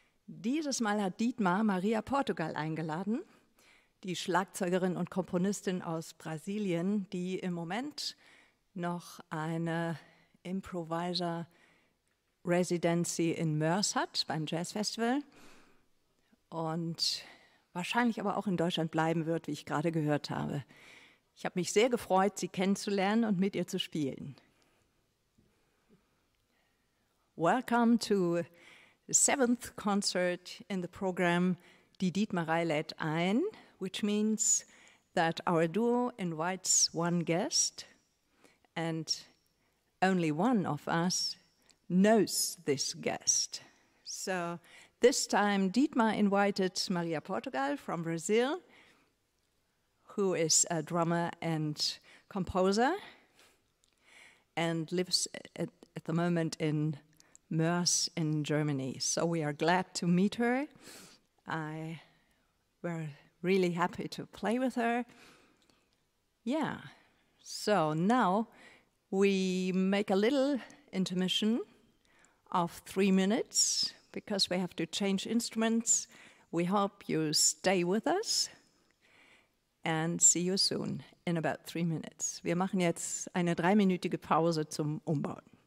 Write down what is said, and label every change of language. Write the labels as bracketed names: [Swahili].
[German] Dieses Mal hat Dietmar Maria Portugal eingeladen, die Schlagzeugerin und Komponistin aus Brasilien, die im Moment noch eine Improviser Residency in Moers hat beim Jazz Festival und wahrscheinlich aber auch in Deutschland bleiben wird, wie ich gerade gehört habe. Ich habe mich sehr gefreut, sie kennenzulernen und mit ihr zu spielen. [English] Welcome to the 7th concert in the program, Die Dietmarei lädt ein, which means that our duo invites one guest and only one of us knows this guest. So this time Dietmar invited Maria Portugal from Brazil, who is a drummer and composer and lives at the moment in Moers in Germany. So we are glad to meet her. We're really happy to play with her. Yeah, so now we make a little intermission of 3 minutes because we have to change instruments. We hope you stay with us and see you soon in about 3 minutes. [German] Wir machen jetzt eine 3-minütige Pause zum Umbauen.